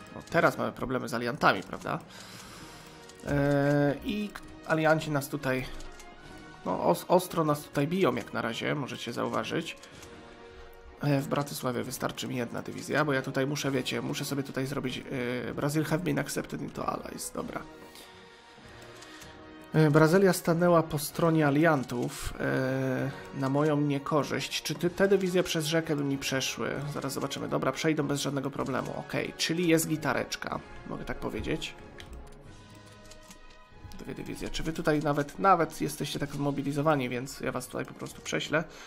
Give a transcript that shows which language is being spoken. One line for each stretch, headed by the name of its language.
Polish: Teraz mamy problemy z aliantami, prawda? I alianci nas tutaj... ostro nas tutaj biją, jak na razie, możecie zauważyć. W Bratysławie wystarczy mi jedna dywizja, bo ja tutaj muszę, wiecie, muszę sobie tutaj zrobić...
English: Brazil have been accepted into allies,
Polish: dobra. Brazylia stanęła po stronie aliantów, na moją niekorzyść. Czy te dywizje przez rzekę by mi przeszły? Zaraz zobaczymy. Dobra, przejdą bez żadnego problemu. Okej, okay, czyli jest gitareczka, mogę tak powiedzieć. Dwie dywizje. Czy wy tutaj nawet jesteście tak zmobilizowani, więc ja was tutaj po prostu prześlę.